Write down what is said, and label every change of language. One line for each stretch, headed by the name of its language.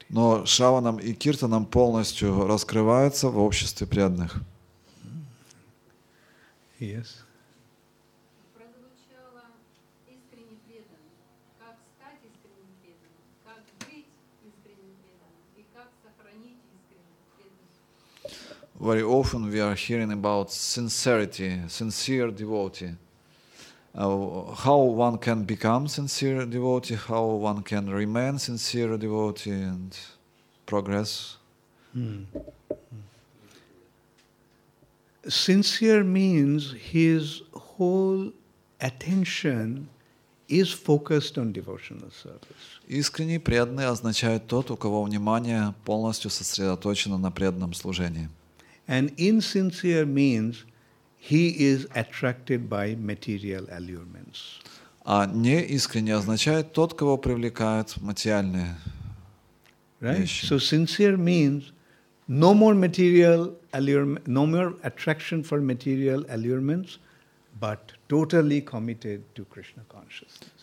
Russian: Но шраванам и киртанам полностью раскрывается в обществе преданных.
English: Yes.
Russian: Прозвучало искренне преданным. Как стать искренним преданным? Как быть искренним преданным? И как сохранить искренность преданных?
English: Very often we are hearing about sincerity, sincere devotee. How one can become sincere devotee, how one can remain sincere devotee and progress. Hmm. Sincere means his whole attention is focused on devotional service.
Russian: Искренний преданный означает тот, у кого внимание полностью сосредоточено на преданном служении.
English: And insincere means he is attracted by material allurements.
Russian: А неискренне означает тот, кого привлекают материальные вещи.
English: So sincere means no more material allurement, no more attraction for material allurements, but totally committed to Krishna consciousness.